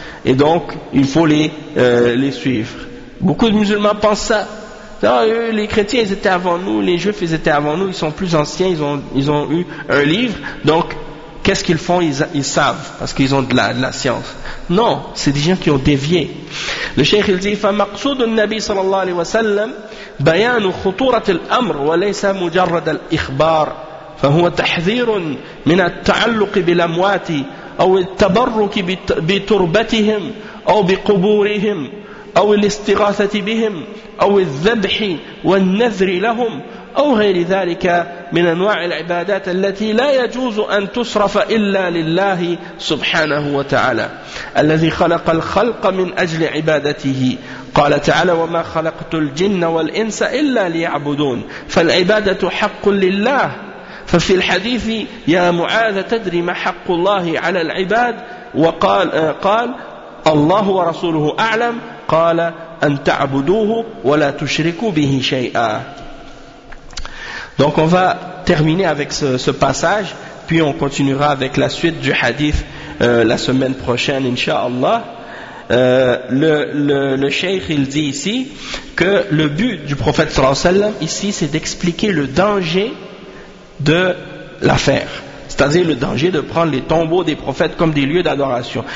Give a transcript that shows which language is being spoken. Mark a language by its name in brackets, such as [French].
[French] Et donc, il faut les suivre. Beaucoup de musulmans pensent ça. Non, eux, les chrétiens, ils étaient avant nous, les juifs, ils étaient avant nous, ils sont plus anciens, ils ont eu un livre. Donc, qu'est-ce qu'ils font, ils savent, parce qu'ils ont de la science. Non, c'est des gens qui ont dévié. Le cheikh il dit, [Arabic] فمقصود النبي صلى الله عليه وسلم بيان خطورة الأمر وليس مجرد الإخبار فهو تحذير من التعلق بالأموات أو التبرك بتربتهم أو بقبورهم أو الاستغاثة بهم أو الذبح والنذر لهم أو غير ذلك من أنواع العبادات التي لا يجوز أن تصرف إلا لله سبحانه وتعالى الذي خلق الخلق من أجل عبادته قال تعالى وما خلقت الجن والإنس إلا ليعبدون فالعبادة حق لله ففي الحديث يا معاذ تدري ما حق الله على العباد وقال الله ورسوله أعلم قال أن تعبدوه ولا تشركوا به شيئا. [French] Donc on va terminer avec ce passage, puis on continuera avec la suite du hadith la semaine prochaine, inshallah. Le cheikh il dit ici que le but du prophète sallallahu alayhi wa sallam ici c'est d'expliquer le danger de l'affaire, c'est-à-dire le danger de prendre les tombeaux des prophètes comme des lieux d'adoration.